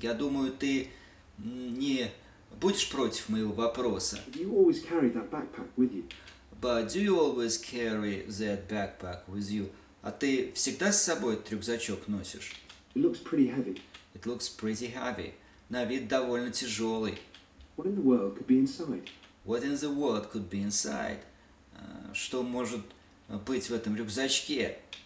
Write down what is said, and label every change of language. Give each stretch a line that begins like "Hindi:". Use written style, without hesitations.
Russian: Я думаю, ты не будешь против моего вопроса.
English: Do you always carry that backpack with you? But do you always carry that backpack with you?
Russian: А ты всегда с собой этот рюкзачок носишь?
English: It looks pretty heavy. It looks pretty heavy.
Russian: На вид довольно тяжелый.
English: What in the world could be inside? What in the world could be inside?
Russian: Что может быть в этом рюкзачке?